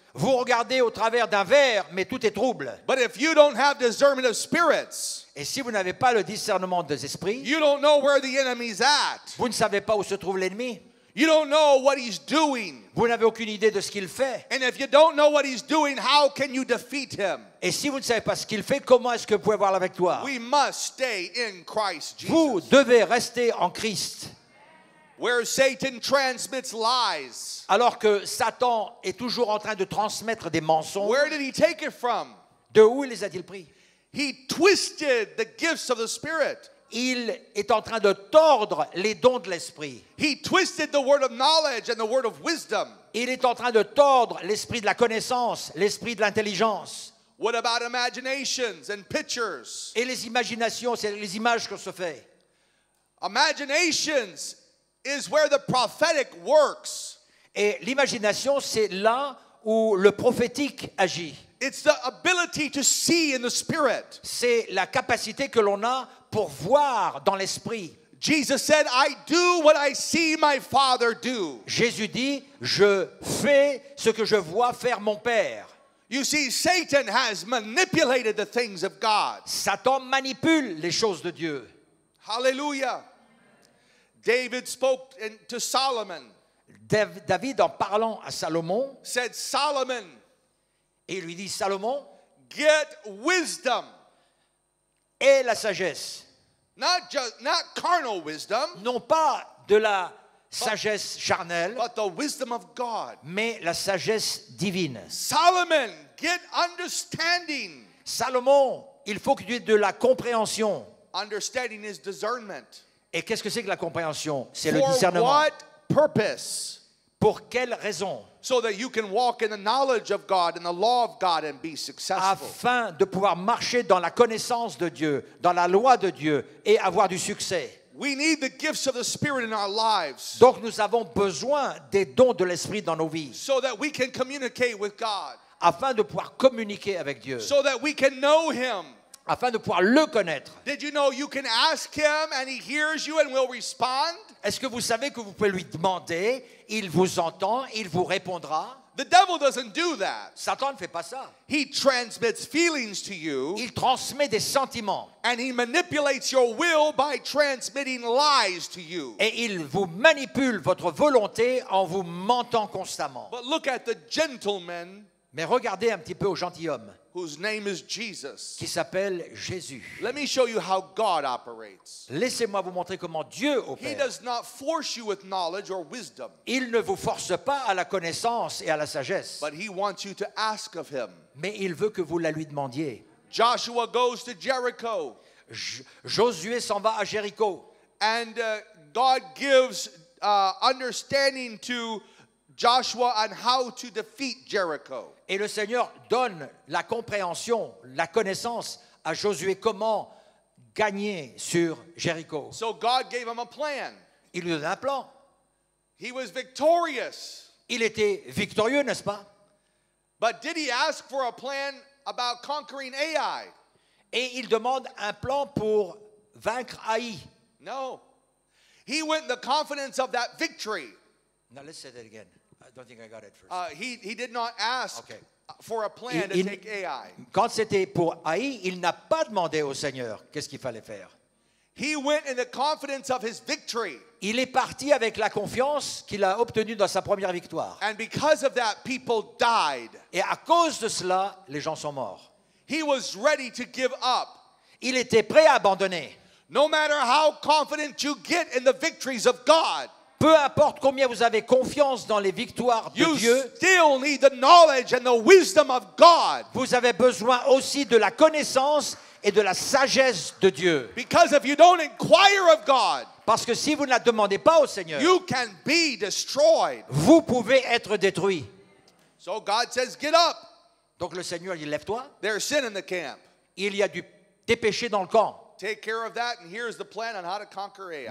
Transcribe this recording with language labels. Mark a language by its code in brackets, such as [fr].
[fr] Vous regardez au travers d'un verre, mais tout est trouble. [en] But if you don't have discernment of spirits, [fr] et si vous n'avez pas le discernement des esprits, [en] you don't know where the enemy's at. [fr] Vous ne savez pas où se trouve l'ennemi. [en] You don't know what he's doing. [fr] Vous n'avez aucune idée de ce qu'il fait. [en] And if you don't know what he's doing, how can you defeat him? [fr] Et si vous ne savez pas ce qu'il fait, comment est-ce que vous pouvez avoir la victoire? [en] We must stay in Christ Jesus. [fr] Vous devez rester en Christ. [en] Where Satan transmits lies. [fr] Alors que Satan est toujours en train de transmettre des mensonges. [en] Where did he take it from? [fr] De où les a-t-il pris? [en] He twisted the gifts of the Spirit. [fr] Il est en train de tordre les dons de l'esprit. [en] He twisted the word of knowledge and the word of wisdom. [fr] Il est en train de tordre l'esprit de la connaissance, l'esprit de l'intelligence. [en] What about imaginations and pictures? [fr] Et les imaginations, c'est les images qu'on se fait. [en] Imaginations is where the prophetic works. [fr] Et l'imagination, c'est là où le prophétique agit. [en] It's the ability to see in the spirit. [fr] C'est la capacité que l'on a pour voir dans l'esprit. [en] Jesus said, I do what I see my father do. [fr] Jésus dit, je fais ce que je vois faire mon père. [en] You see, Satan has manipulated the things of God. [fr] Satan manipule les choses de Dieu. [en] Hallelujah. David spoke to Solomon. [fr] David, en parlant à Salomon, [en] said Solomon. [fr] Et lui dit Salomon, [en] get wisdom. [fr] Et la sagesse. [en] Not just not carnal wisdom. [fr] Non pas de la sagesse charnelle. [en] But the wisdom of God. [fr] Mais la sagesse divine. [en] Solomon, get understanding. [fr] Salomon, il faut que tu aies de la compréhension. [en] Understanding is discernment. [fr] Et qu'est-ce que c'est que la compréhension? C'est [en] for [fr] le discernement. [en] What purpose? [fr] Pour quelle raison? [en] So that you can walk in the knowledge of God and the law of God and be successful. [fr] Afin de pouvoir marcher dans la connaissance de Dieu, dans la loi de Dieu et avoir du succès. [en] We need the gifts of the Spirit in our lives. [fr] Donc nous avons besoin des dons de l'Esprit dans nos vies. [en] So that we can communicate with God. [fr] Afin de pouvoir communiquer avec Dieu. [en] So that we can know him. [fr] Afin de pouvoir le connaître. [en] Did you know you can ask him and he hears you and will respond? [fr] Est-ce que vous savez que vous pouvez lui demander, il vous entend, il vous répondra? [en] The devil doesn't do that. [fr] Satan ne fait pas ça. [en] He transmits feelings to you. [fr] Il transmet des sentiments. [en] And he manipulates your will by transmitting lies to you. [fr] Et il vous manipule votre volonté en vous mentant constamment. [en] But look at the gentleman. [fr] Mais regardez un petit peu au gentilhomme. [en] Whose name is Jesus. [fr] Qui s'appelle Jésus. [en] Let me show you how God operates. [fr] Laissez-moi vous montrer comment Dieu opère. [en] He does not force you with knowledge or wisdom. [fr] Il ne vous force pas à la connaissance et à la sagesse. [en] But he wants you to ask of him. [fr] Mais il veut que vous la lui demandiez. [en] Joshua goes to Jericho. [fr] Josué s'en va à Jéricho. [en] And God gives understanding to Joshua on how to defeat Jericho. [fr] Et le Seigneur donne la compréhension, la connaissance à Josué comment gagner sur Jéricho. [en] So God gave him a plan. [fr] Il lui donne un plan. [en] He was victorious. [fr] Il était victorieux, n'est-ce pas? [en] But did he ask for a plan about conquering Ai? [fr] Et il demande un plan pour vaincre Ai. [en] No. He went in the confidence of that victory. Now let's say that again. I don't think I got it first. He did not ask for a plan to take Ai. [fr] Quand c'était pour Ai, il n'a pas demandé au Seigneur qu'est-ce qu'il fallait faire. [en] He went in the confidence of his victory. [fr] Il est parti avec la confiance qu'il a obtenue dans sa première victoire. [en] And because of that, people died. [fr] Et à cause de cela, les gens sont morts. [en] He was ready to give up. [fr] Il était prêt à abandonner. [en] No matter how confident you get in the victories of God. [fr] Peu importe combien vous avez confiance dans les victoires de [en] you [fr] Dieu, [en] still need the knowledge and the wisdom of God. [fr] Vous avez besoin aussi de la connaissance et de la sagesse de Dieu. [en] Because if you don't inquire of God, [fr] parce que si vous ne la demandez pas au Seigneur, [en] you can be destroyed. [fr] Vous pouvez être détruit. [en] So God says, get up. [fr] Donc le Seigneur dit, lève-toi. [en] There's sin in the camp. [fr] Il y a des péchés dans le camp. [en] Take care of that, and here's the plan on how to conquer Ai.